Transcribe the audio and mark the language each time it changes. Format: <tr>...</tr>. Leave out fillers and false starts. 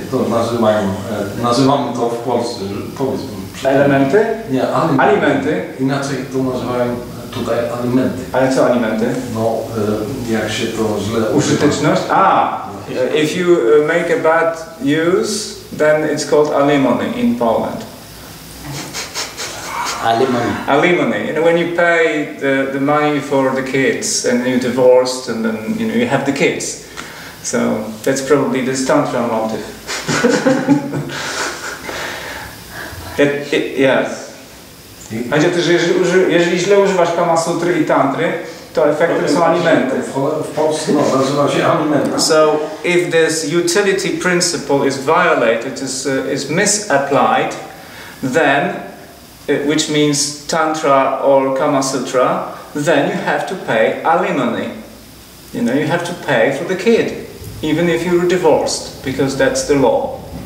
<pl>To nazywamy to w Polsce, powiedzmy. Elementy? Nie, alimenty. Inaczej to nazywają tutaj alimenty. Ale co alimenty? No, jak się to źle... Użyteczność?</pl> <en>If you make a bad use, then it's called alimony in Poland. Alimony. You know, when you pay the money for the kids and you divorced and then, you know, you have the kids. So that's probably the tantra motive. Yes.</en> <pl>Chodzi o to, że jeżeli źle używasz Kama Sutry i Tantry, to efekty są alimenty. W Polsce no, nazywa się alimenty.</pl> <en>So if this utility principle is violated, is misapplied, then which means Tantra or Kama Sutra, then you have to pay alimony. You know, you have to pay for the kid, even if you're divorced, because that's the law.</en>